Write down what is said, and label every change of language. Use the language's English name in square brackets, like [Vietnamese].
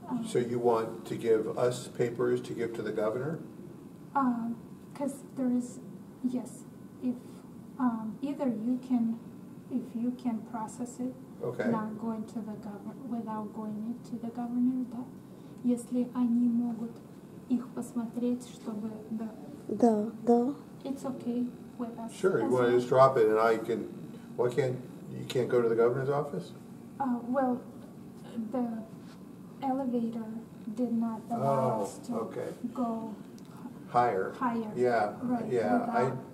[English] So you want to give us papers to give to the governor? Because there is, yes, if either you can, if you can process it, okay. Not going to the governor, without going it to the governor, [Russian] да? Если они могут их посмотреть, чтобы, да. Да, да. [English] It's okay with us. Sure, you want to just drop it and I can, why can't, You can't go to the governor's office? Well, the elevator did not allow us to go higher. Higher. Yeah. Right. Yeah.